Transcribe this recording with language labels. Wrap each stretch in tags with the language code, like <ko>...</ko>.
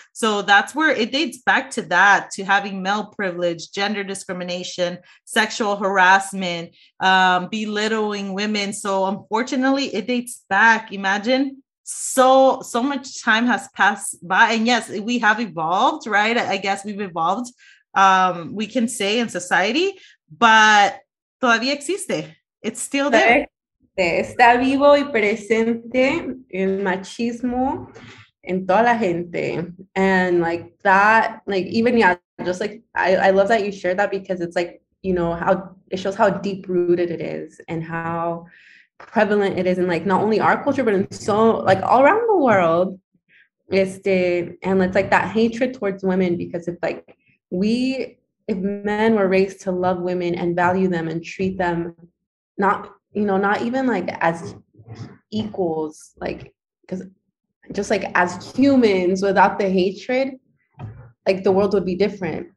<en>So that's where it dates back to, that, to having male privilege, gender discrimination, sexual harassment, belittling women. So unfortunately, it dates back. Imagine, so much time has passed by. And yes, we have evolved, right? I guess we've evolved, we can say, in society. But</en> <es>todavía existe.</es> <en>It's still there.</en> <es>Está vivo y presente el machismo en toda la gente.</es> <en>And like that, like even, yeah, just like I love that you shared that, because it's like, you know, how it shows how deep rooted it is and how prevalent it is in like not only our culture, but in so like all around the world. And it's like that hatred towards women, because it's like if men were raised to love women and value them and treat them not, you know, not even like as equals, like, because just like as humans without the hatred, like the world would be different.</en>